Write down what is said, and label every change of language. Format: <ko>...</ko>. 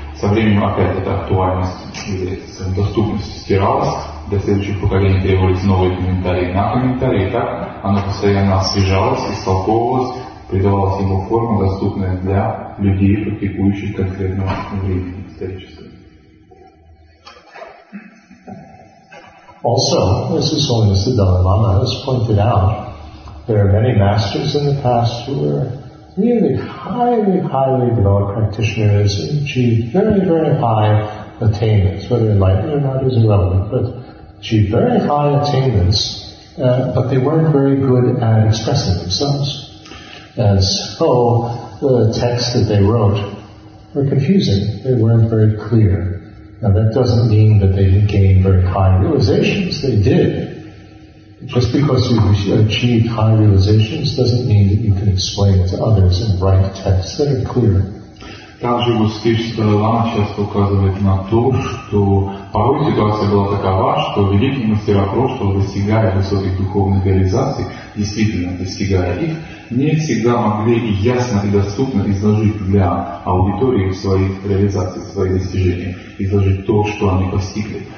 <ru>Со временем опять эта актуальность, доступность стиралась, для следующих поколений требовались новые комментарии на комментарии, и так оно постоянно освежалось, истолковывалось, придавалась ему форма, доступная для людей, практикующих конкретного времени исторического.</ru> <en>Also, as His Holiness the Dalai Lama has pointed out, there are many masters in the past who were really highly, highly developed practitioners and achieved very, very high attainments, whether enlightened or not is irrelevant, but achieved very high attainments, but they weren't very good at expressing themselves. And so the texts that they wrote were confusing, they weren't very clear. Now that doesn't mean that they didn't gain very high realizations, they did. Just because you've achieved high realizations doesn't mean that you can explain it to others and write texts that are clear.</en> <ru>Также Буддист Далай-лама часто указывает на то, что порой ситуация была такова, что великие мастера прошлого, достигая высоких духовных реализаций, действительно достигая их, не всегда могли ясно и доступно изложить для аудитории свои реализации, свои достижения, изложить то, что они постигли.</ru>